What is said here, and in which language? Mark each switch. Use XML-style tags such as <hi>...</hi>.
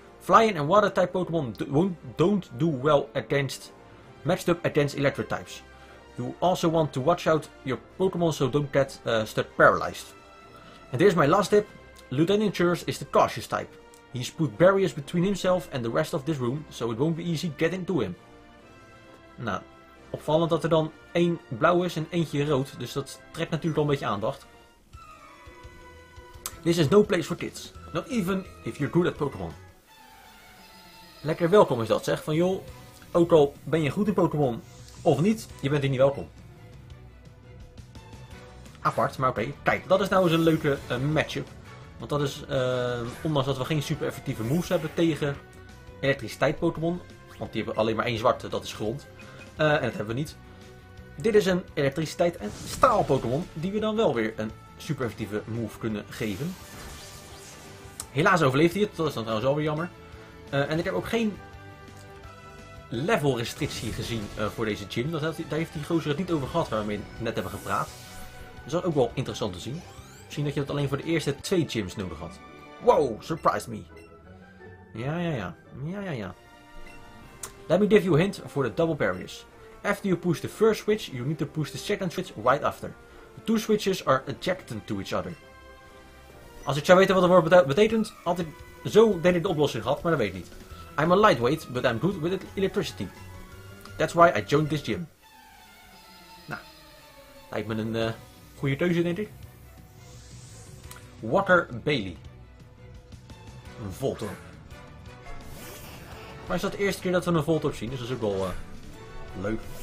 <en>Flying and water-type Pokémon don't do well against matched up against electric-types. You also want to watch out your Pokémon so don't get stuck paralyzed. And here's my last tip. Lieutenant Surge is the cautious type. He's put barriers between himself and the rest of this room, so it won't be easy getting to him.</en> <nl>Nou, opvallend dat er dan één blauw is en eentje rood, dus dat trekt natuurlijk al een beetje aandacht.</nl> <en>This is no place for kids. Not even if you're good at Pokémon.</en> <nl>Lekker welkom is dat, zeg. Van joh, ook al ben je goed in Pokémon of niet, je bent hier niet welkom. Apart, maar oké. Kijk, dat is nou eens een leuke matchup. Want dat is, ondanks dat we geen super effectieve moves hebben tegen elektriciteit Pokémon. Want die hebben alleen maar één zwarte, dat is grond. En dat hebben we niet. Dit is een elektriciteit en staal Pokémon die we dan wel weer een super effectieve move kunnen geven. Helaas overleeft hij het. Dat is dan trouwens wel weer jammer. En ik heb ook geen level restrictie gezien voor deze gym. Daar heeft die gozer het niet over gehad waar we mee net hebben gepraat. Dus dat is ook wel interessant te zien. Misschien dat je dat alleen voor de eerste twee gyms nodig had.</nl> <en>Wow, surprise me.</en> <nl>Ja.</nl> <en>Let me give you a hint for the double barriers. After you push the first switch, you need to push the second switch right after. The two switches are adjacent to each other.</en> <nl>Als ik zou weten wat dat woord betekent, had ik zo denk ik de oplossing gehad, maar dat weet ik niet.</nl> <en>I'm a lightweight, but I'm good with electricity. That's why I joined this gym.</en> <nl>Nou, lijkt me een goede keuze, denk ik. Walker Bailey. Een Voltorb. Maar is dat de eerste keer dat we een Voltorb zien? Dus dat is ook wel leuk.</nl>